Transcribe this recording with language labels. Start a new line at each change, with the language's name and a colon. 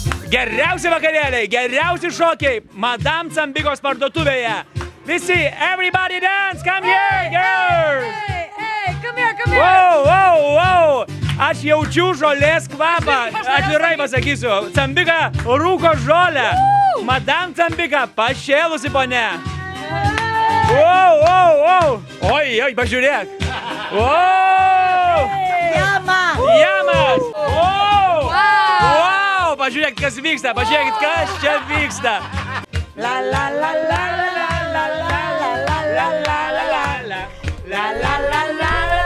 Lithuanian: Geriausi vakarėliai, geriausi šokiai Madam Cambikos parduotuvėje.
English: Visi, everybody dance, come hey, here, girls! Hey, hey, come here, come here! Wow, wow, wow!
Lithuanian: Aš jaučiu žolės kvapą, atvirai pasakysiu. Cambika rūko žolę. Madam Cambika pašėlusi, ponė. Wow, wow, wow! Oi, oi, pažiūrėk. Wow! Hey, jama! Jamas! Wow! Pažiūrėkit, kas vyksta, pažiūrėkit, kas čia vyksta. La la la la la la la la la la la la la la la la la la la la la la la la la la la.